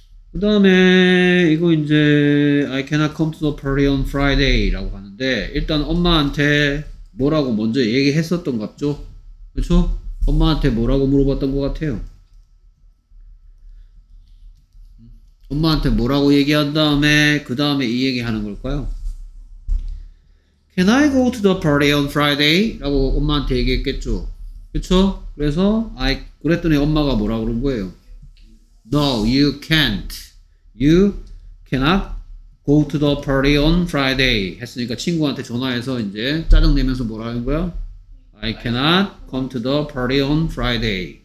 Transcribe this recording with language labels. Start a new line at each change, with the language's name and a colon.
Korean: 그 다음에 이거 이제
English: I cannot come to the party on Friday
Korean: 라고 하는데 일단 엄마한테 뭐라고 먼저 얘기했었던 것 같죠? 그렇죠? 엄마한테 뭐라고 물어봤던 것 같아요. 엄마한테 뭐라고 얘기한 다음에 그 다음에 이 얘기하는 걸까요?
English: Can I go to the party on Friday?
Korean: 라고 엄마한테 얘기했겠죠. 그쵸? 그래서 I 그랬더니 엄마가 뭐라 그런 거예요?
English: No, you can't. You cannot go to the party on Friday.
Korean: 했으니까 친구한테 전화해서 이제 짜증내면서 뭐라 하는 거야?
English: I cannot come to the party on Friday.